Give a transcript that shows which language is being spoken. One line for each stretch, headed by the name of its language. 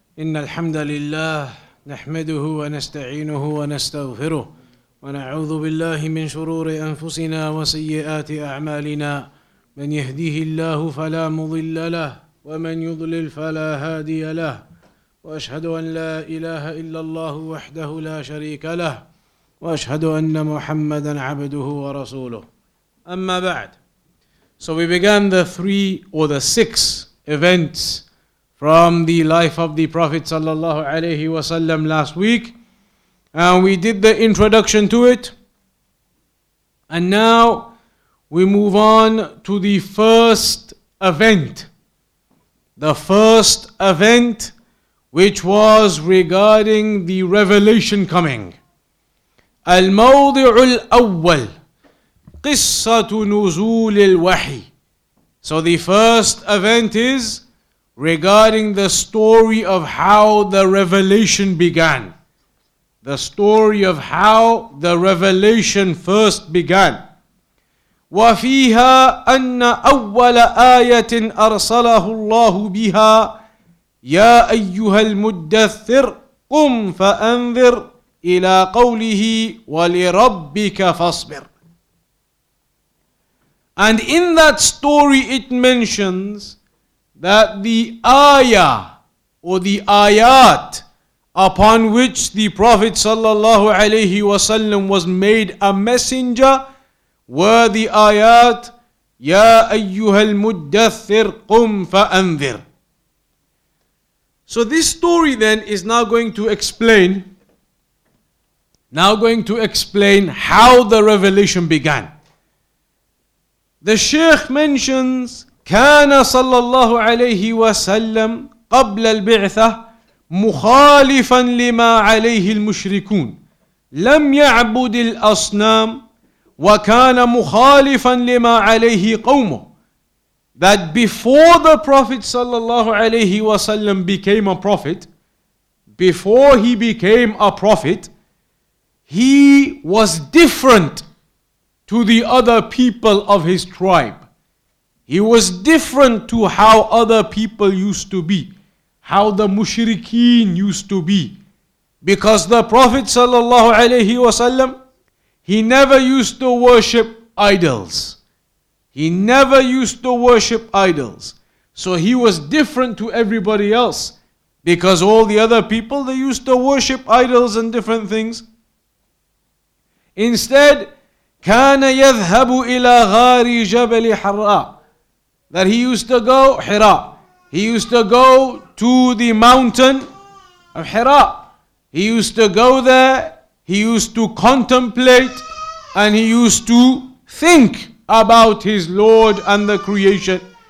Arabic: إن الحمد لله نحمده ونستعينه ونستغفره ونعوذ بالله من شرور أنفسنا وسيئات أعمالنا، من يهديه الله فلا مضل له ومن يضلل فلا هادي له، وأشهد أن لا إله إلا الله وحده لا شريك له، وأشهد أن محمدًا عبده ورسوله. أما بعد،
English: so we began the three or the six events from the life of the Prophet sallallahu alayhi wa sallam last week, and we did the introduction to it, and now we move on to the first event. The first event, which was regarding the revelation coming.
Arabic: Al-mawdi'u al-awwal, qissatu nuzul al-wahi.
English: So the first event is regarding the story of how the revelation began. The story of how the revelation first began.
Arabic: وفيها أن أول آية أرسله الله بها يا أيها المدثر قم فأنذر إلى قوله ولربك فاصبر.
English: And in that story it mentions that the ayah or the ayat upon which the Prophet sallallahu alayhi wasallam was made a messenger were the ayat
Arabic: Ya ayyuhal muddathir qum fa'anzir.
English: So this story then is now going to explain how the revelation began. The Shaykh mentions
Arabic: كان صلى الله عليه وسلم قبل البعثة مخالفا لما عليه المشركون لم يعبد الأصنام وكان مخالفا لما عليه قومه.
English: That before the Prophet صلى الله عليه وسلم became a prophet, before he became a prophet, he was different to the other people of his tribe. He was different to how other people used to be, how the mushrikeen used to be. Because the Prophet sallallahu alayhi wasallam, he never used to worship idols. He never used to worship idols. So he was different to everybody else, because all the other people, they used to worship idols and different things. Instead,
Arabic: كان يذهب إلى غار جبل حراء.
English: That he used to go, Hira. He used to go to the mountain of Hira. He used to go there. He used to contemplate. And he used to think about his Lord and the creation.